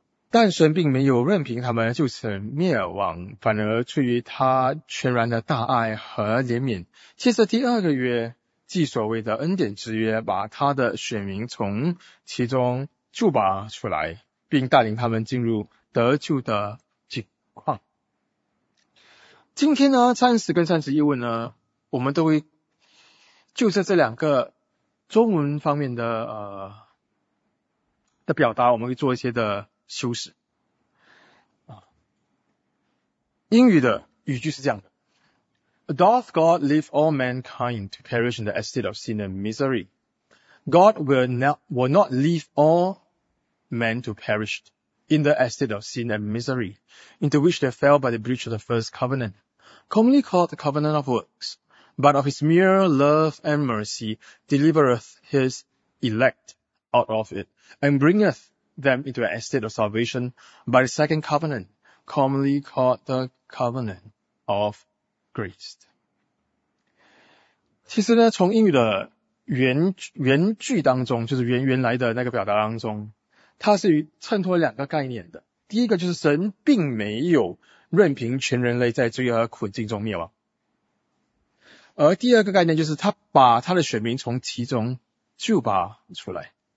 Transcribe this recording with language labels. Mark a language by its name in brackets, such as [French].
[Chinese] 但神并没有任凭他们就此灭亡，反而出于他全然的大爱和怜悯，借着第二个约，即所谓的恩典之约，把他的选民从其中救拔出来，并带领他们进入得救的境况。今天呢，30跟31问呢，我们都会就着这两个中文方面的表达，我们会做一些的修饰。英语的语句是这样的， [English] Doth God leave all mankind to perish in the estate of sin and misery? God will not leave all men to perish in the estate of sin and misery into which they fell by the breach of the first covenant, commonly called the covenant of works, but of his mere love and mercy delivereth his elect out of it and bringeth them into an estate of salvation by the second covenant, commonly called the covenant of grace. [Chinese] 其实呢，从英语的原句当中，就是原来的那个表达当中，它是衬托两个概念的。第一个就是神并没有任凭全人类在罪恶苦境中灭亡，而第二个概念就是他把他的选民从其中救拔出来。